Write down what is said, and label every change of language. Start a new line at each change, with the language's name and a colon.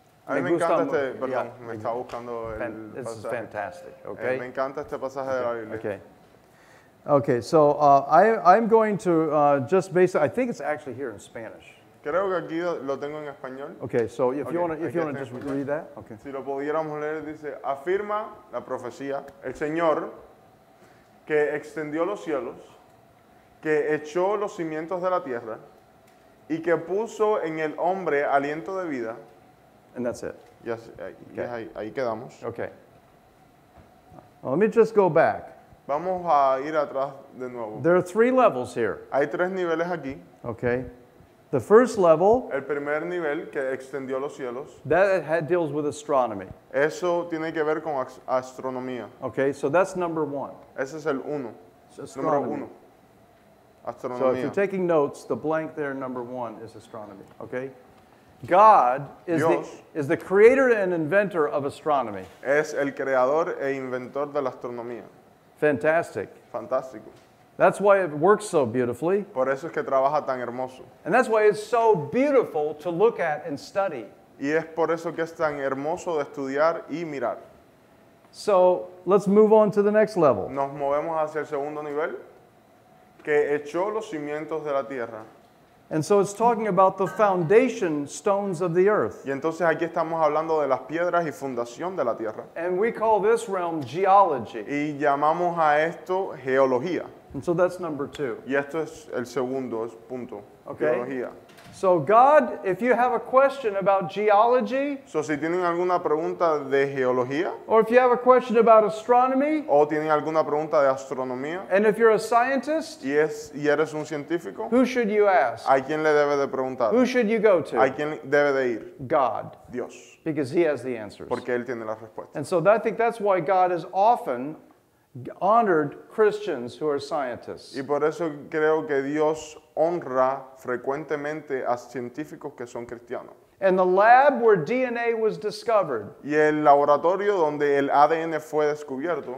Spanish: me gusta mucho. Perdón, yeah. Me está buscando el
English: pasaje. This is fantastic, okay?
Spanish: Me encanta este pasaje de la Biblia.
English: Okay. Okay, so I'm going to just basically, I think it's actually here in Spanish.
Spanish: Creo que aquí lo tengo en español.
English: Okay, so if you want to just read that. Okay.
Spanish: Si lo pudiéramos leer, dice, afirma la profecía, el Señor que extendió los cielos, que echó los cimientos de la tierra, y que puso en el hombre aliento de vida.
English: And that's it. Yes, okay. Yes,
Spanish: ahí quedamos.
English: Okay. Well, let me just go back.
Spanish: Vamos a ir atrás de nuevo.
English: There are three levels here.
Spanish: Hay tres niveles aquí.
English: Okay. The first level.
Spanish: El primer nivel que extendió los cielos.
English: That deals with astronomy.
Spanish: Eso tiene que ver con astronomía.
English: Okay, so that's number one.
Spanish: Ese es el uno. Número uno. Astronomía.
English: So if you're taking notes, the blank there, number one, is astronomy. Okay. God is the creator and inventor of astronomy.
Spanish: Es el creador e inventor de la astronomía.
English: Fantastic.
Spanish: Fantástico.
English: That's why it works so beautifully.
Spanish: Por eso es que trabaja tan hermoso.
English: And that's why it's so beautiful to look at and study.
Spanish: Y es por eso que es tan hermoso de estudiar y mirar.
English: So let's move on to the next level.
Spanish: Nos movemos hacia el segundo nivel, que echó los cimientos de la tierra.
English: And so it's talking about the foundation stones of the earth.
Spanish: Y entonces aquí estamos hablando de las piedras y fundación de la tierra.
English: And we call this realm geology.
Spanish: Y llamamos a esto geología.
English: And so that's number two.
Spanish: Y esto es el segundo punto.
English: Okay.
Spanish: Geología.
English: So God, if you have a question about geology,
Spanish: so si tienen alguna pregunta de geología,
English: or if you have a question about astronomy,
Spanish: o tienen alguna pregunta de astronomía,
English: and if you're a scientist,
Spanish: y eres un científico,
English: who should you ask?
Spanish: ¿A quién le debe de preguntar?
English: Who should you go to?
Spanish: ¿A quién debe de ir?
English: God.
Spanish: Dios.
English: Because he has the answers.
Spanish: Porque él tiene las respuestas.
English: And so I think that's why God is often honored Christians who are scientists.
Spanish: Y por eso creo que Dios honra frecuentemente a científicos que son cristianos.
English: And the lab where DNA was discovered.
Spanish: Y el laboratorio donde el ADN fue descubierto.